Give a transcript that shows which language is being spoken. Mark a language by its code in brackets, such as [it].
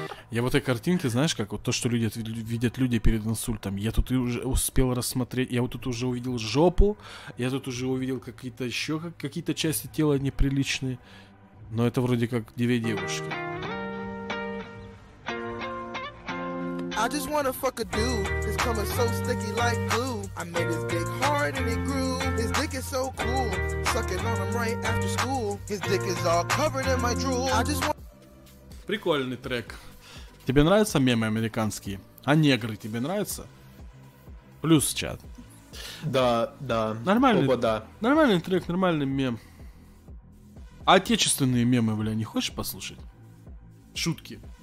[ru] Я в этой картинке, знаешь, как вот то, что люди видят люди перед инсультом. Я тут уже успел рассмотреть, я вот тут уже увидел жопу, я тут уже увидел какие-то еще какие-то части тела неприличные. Но это вроде как две девушки. [en] I just wanna fuck a dude. It's coming so sticky like glue. I made his dick hard and it grew. His dick is so cool. Sucking on him right after school. His dick is all covered in my drool. I just want... [ru] Прикольный трек. Тебе нравятся мемы американские? А негры тебе нравятся? Плюс чат. Да, да. Нормальный, оба, да. Нормальный трек, нормальный мем. Отечественные мемы, бля, не хочешь послушать? Шутки.